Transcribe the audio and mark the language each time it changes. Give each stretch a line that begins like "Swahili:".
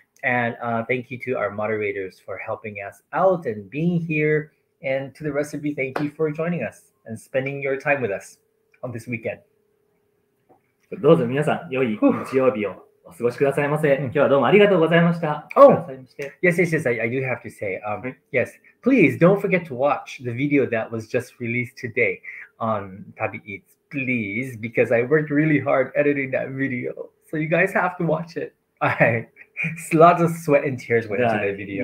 English: And thank you to our moderators for helping us out and being here. And to the rest of you, thank you for joining us and spending your time with us on this weekend.
Japanese: どうぞ皆さん、良い日曜日をお過ごしくださいませ。今日はどうもありがとうございました。
English: Yes, yes, yes, I do have to say, yes, please don't forget to watch the video that was just released today on TabiEats, please, because I worked really hard editing that video. So you guys have to watch it. Lots of sweat and tears went into that video.